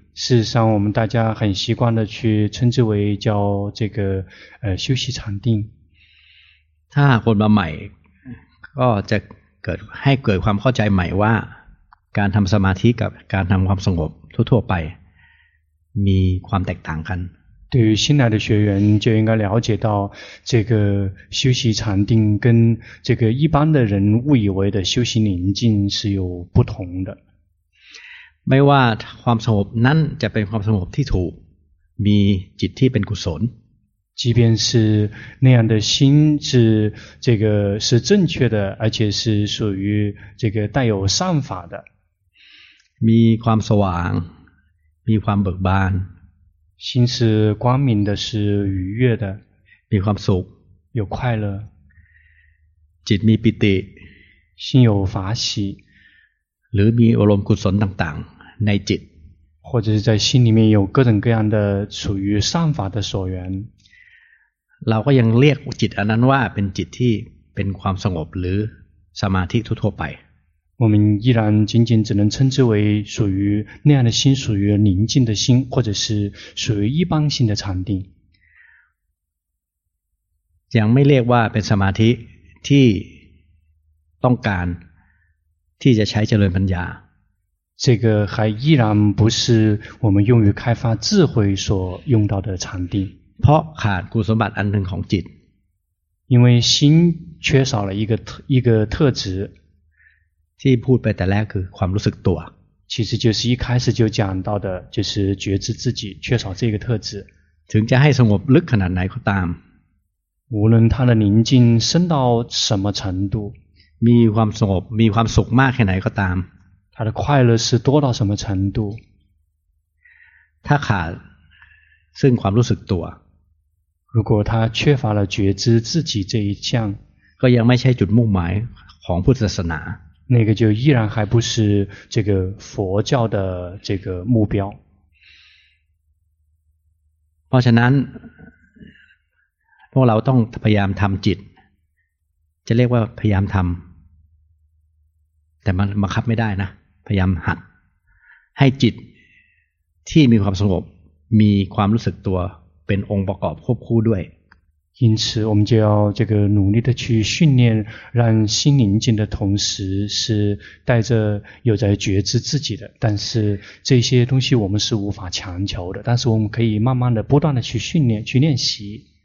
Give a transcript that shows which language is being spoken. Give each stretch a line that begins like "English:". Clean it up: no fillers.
Chinese: 事实上我们大家很习惯的去称之为叫这个休息禅定
Thai: ถ้าคนมาใหม่ก็จะเกิดให้เกิดความเข้าใจใหม่ว่าการทำสมาธิกับการทำความสงบทั่วไปมีความแตกต่างกัน
Chinese: 对于新来的学员就应该了解到这个休息禅定跟这个一般的人误以为的休息宁静是有不同的
Thai: ไม่ว่าความสงบนั้นจะเป็นความสงบที่ถูกมีจิตที่เป็นกุศล
Chinese: 即便是那样的心是这个是正确的而且是属于这个带有善法的
Thai: มีความสว่างมีความเบิกบาน
Chinese: 心是光明的是愉悦的
Thai: มีความสุข
Chinese: 有快乐
Thai: จิตมีปิติ
Chinese: 心有法喜
Thai: หรือมีอารมณ์กุศลต่างๆในจิต
Chinese: 或者是在心里面有各种各样的处于善法的所缘
Thai: เราก็ยังเรียกจิตอันนั้นว่าเป็นจิตที่เป็นความสงบหรือสมาธิทั่วไป
Chinese: 我们依然仅仅只能称之为属于那样的心属于宁静的心或者是属于一般性的禅定
Thai: ยังไม่เรียกว่าเป็นสมาธิที่ต้องการที่จะใช้เจริญปัญญา
Chinese: 这个还依然不是我们用于开发智慧所用到的禅定
Thai: เพราะขาดคุณสมบัติอันหนึ่งของจิต
Chinese: 因为心缺少了一个特质
Thai: ที่พูดไปแต่แรกคือความรู้สึกตัว
Chinese: 其实就是一开始就讲到的就是觉知自己缺少这个特质
Thai: ถึงจะให้สงบลึกขนาดไหนก็ตาม
Chinese: 无论它的宁静深到什么程度
Thai: มีความสงบมีความสุขมากแค่ไหนก็ตาม
Chinese: 他的快乐是多到什么程度
Thai: ถ้าขาดซึ่งความรู้สึกตัว
Chinese: 如果他缺乏了觉知自己这一项
Thai: ก็ยังไม่ใช่จุดมุ่งหมายของพุทธศาสนา
Chinese: 那个就依然还不是这个佛教的这个目标。
Thai: เพราะฉะนั้นพวกเราต้องพยายามทำจิตจะเรียกว่าพยายามทำแต่มันบังคับไม่ได้นะพยายามหัดให้จิตที่มีความสงบมีความรู้สึกตัวเป็นองค์ประกอบควบคู่ด้วย
Chinese: 因此我们就要这个努力的去训练让心宁静的同时是带着有在觉知自己的但是这些东西我们是无法强求的但是我们可以慢慢的不断的去训练去练习